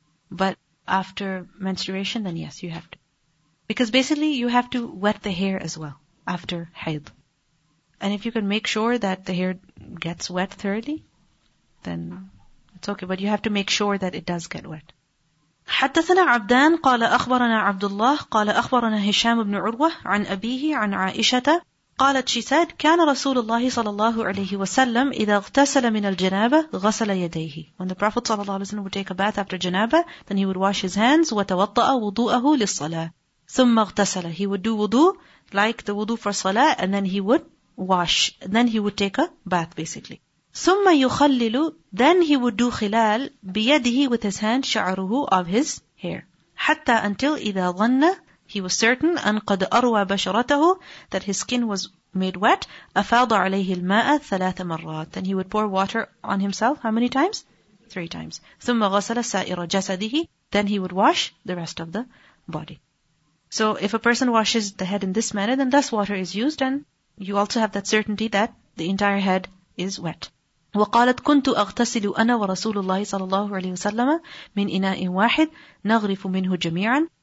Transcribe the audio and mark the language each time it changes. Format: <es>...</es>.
<en>But after menstruation, then yes, you have to. Because basically, you have to wet the hair as well, after hayd. And if you can make sure that the hair gets wet thoroughly, then it's okay. But you have to make sure that it does get wet.</en> <ar>حدثنا عبدان قال أخبرنا عبد الله قال أخبرنا هشام بن عروة عن أبيه عن عائشة قالت</ar> <en>she said</en> <ar>كان رسول الله صلى الله عليه وسلم إذا اغتسل من الجنابة غسل يديه.</ar> <en>When the Prophet صلى الله عليه وسلم would take a bath after janaba, then he would wash his hands</en> <ar>وتوضأ وضوءه للصلاة ثم اغتسل.</ar> <en>He would do wudu like the wudu for صلاة, and then he would wash, and then he would take a bath basically.</en> <ar>ثم يخلل,</ar> <en>then he would do خلال</en> <ar>بيده,</ar> <en>with his hand,</en> <ar>شعره,</ar> <en>of his hair.</en> <ar>حتى</ar> <en>until</en> <ar>إذا ظن,</ar> <en>he was certain,</en> <ar>أن قد أروى بشرته,</ar> <en>that his skin was made wet,</en> <ar>أفاض عليه الماء ثلاث مرات.</ar> <en>Then he would pour water on himself, how many times? 3 times.</en> <ar>ثم غسل سائر جسده,</ar> <en>then he would wash the rest of the body. So if a person washes the head in this manner, then less water is used, and you also have that certainty that the entire head is wet.</en> <ar>وقالت كنت أغتسل أنا ورسول الله صلى الله عليه وسلم من إناء واحد نغرف منه جميعا.</ar>